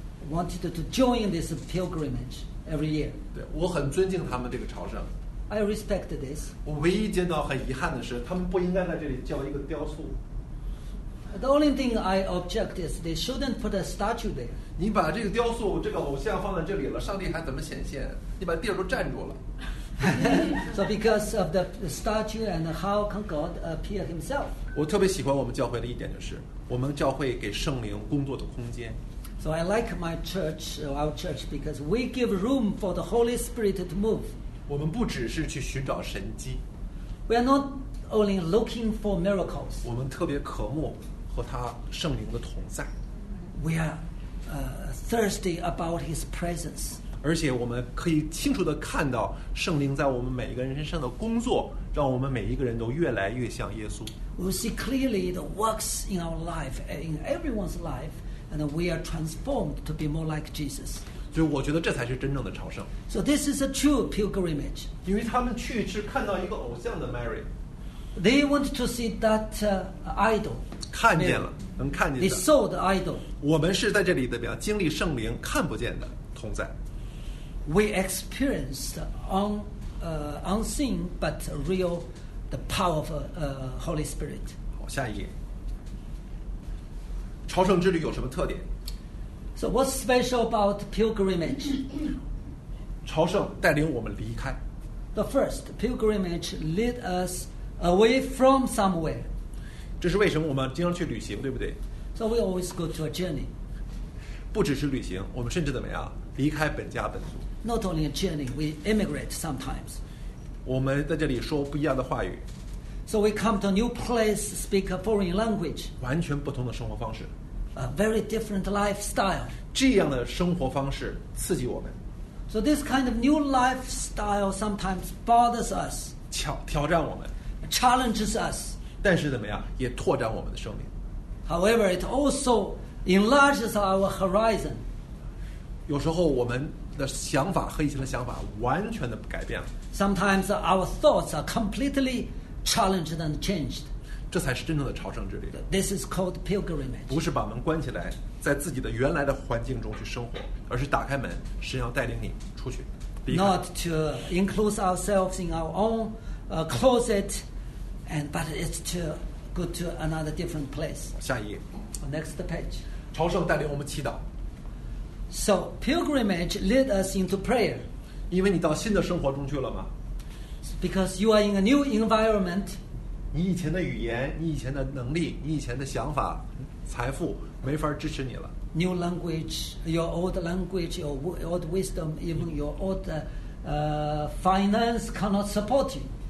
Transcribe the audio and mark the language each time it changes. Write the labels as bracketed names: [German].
[English] Wanted to join this pilgrimage every year. [Chinese] 对，我很尊敬他们这个朝圣。 [English] I respect this. [Chinese] 我唯一见到很遗憾的是，他们不应该在这里叫一个雕塑。 [English] The only thing I object is they shouldn't put a statue there. [Chinese] 你把这个雕塑、这个偶像放在这里了，上帝还怎么显现？你把地儿都占住了。 [English] So because of the statue and how can God appear Himself? [Chinese] 我特别喜欢我们教会的一点就是，我们教会给圣灵工作的空间。 [English] So I like my church, our church, because we give room for the Holy Spirit to move. [Chinese] 我们不只是去寻找神迹。 [English] We are not only looking for miracles. [Chinese] 我们特别渴慕和他圣灵的同在。 [English] We are thirsty about His presence. [Chinese] 而且我们可以清楚地看到圣灵在我们每一个人身上的工作，让我们每一个人都越来越像耶稣。 [English] We see clearly the works in our life, in everyone's life, and we are transformed to be more like Jesus. [Chinese] 就我觉得这才是真正的朝圣。 [English] So this is a true pilgrimage. [Chinese] 因为他们去是看到一个偶像的 Mary. [English] They want to see that idol. [Chinese] 看见了，能看见的。 [English] They saw the idol. [Chinese] 我们是在这里的表经历圣灵看不见的同在。 [English] We experienced unseen but real the power of Holy Spirit. [Chinese] 好，下一页。朝圣之旅有什么特点？ [English] So what's special about pilgrimage? [Chinese] 朝圣带领我们离开。 [English] The first, pilgrimage lead us away from somewhere. [Chinese] 这是为什么我们经常去旅行，对不对？ [English] So we always go to a journey. [Chinese] 不只是旅行，我们甚至怎么样，离开本家本族。 [English] Not only a journey, we immigrate sometimes. [Chinese] 我们在这里说不一样的话语。 [English] So we come to a new place, speak a foreign language. [Chinese] 完全不同的生活方式。 [English] A very different lifestyle. [Chinese] 这样的生活方式刺激我们。 [English] So this kind of new lifestyle sometimes bothers us. [Chinese] 挑战我们。 [English] Challenges us. [Chinese] 但是怎么样，也拓展我们的生命。 [English] However, it also enlarges our horizon. [Chinese] 有时候我们的想法和以前的想法完全的改变了。 [English] Sometimes our thoughts are completely challenged and changed. [Chinese] 这才是真正的朝圣之旅。 [English] This is called pilgrimage. [Chinese] 不是把门关起来，在自己的原来的环境中去生活，而是打开门，神要带领你出去。 [English] Not to enclose ourselves in our own closet, but it's to go to another different place. [Chinese] 下一页。 [English] Next page. [Chinese] 朝圣带领我们祈祷。 [English] So pilgrimage led us into prayer. [Chinese] 因为你到新的生活中去了吗？ [English] Because you are in a new environment. [Chinese] 你以前的语言，你以前的能力，你以前的想法，财富没法支持你了。 [English] New language, your old language, your old wisdom, even your old finance cannot support you.